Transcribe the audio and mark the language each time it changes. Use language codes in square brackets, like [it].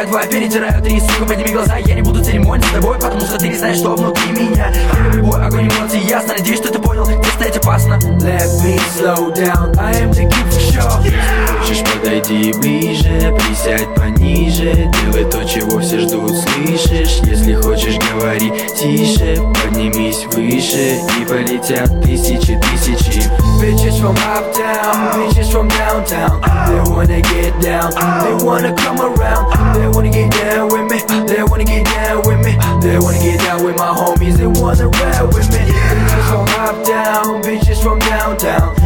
[ru] Перетираю три, сука, подними глаза. Я не буду церемониться с тобой, потому что ты не знаешь, что внутри меня. Я любой огонь эмоций, ясно, надеюсь, что ты понял, где стоять опасно. [en] Let me slow down, I am the king for sure. [ru] Хочешь, подойди ближе, присядь пониже. Делай то, чего все ждут, слышишь? Если хочешь, говори тише. Поднимись выше, и полетят тысячи, тысячи. [en] Bitches from uptown, bitches from downtown. They wanna get down, they wanna come around. They wanna get down with me, they wanna get down with me. They wanna get down with my homies, they wanna ride with me. Bitches from uptown, bitches from downtown.